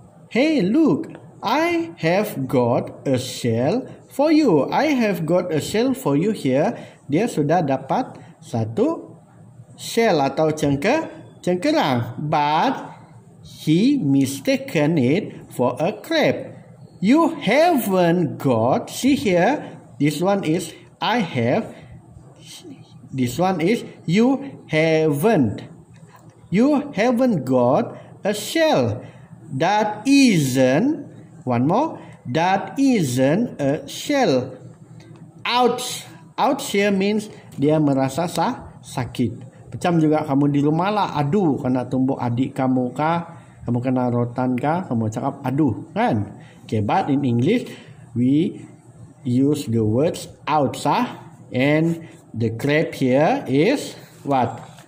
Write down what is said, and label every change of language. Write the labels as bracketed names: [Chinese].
[English] Hey, look, I have got a shell for you. I have got a shell for you here. [Malay] Dia sudah dapat satu shell atau cengkerang. [English] But he mistaken it for a crab. You haven't got, see here, this one is I have, this one is you haven't. You haven't got a shell. That isn't, one more, that isn't a shell. Ouch. Ouch here means [Malay] dia merasa sakit. Macam juga kamu di rumah lah, aduh, kena tumbuk adik kamu kah, kamu kena rotan kah, kamu cakap aduh, kan? [English] Okay, but in English, we use the words ouch, ah, and the crab here is what?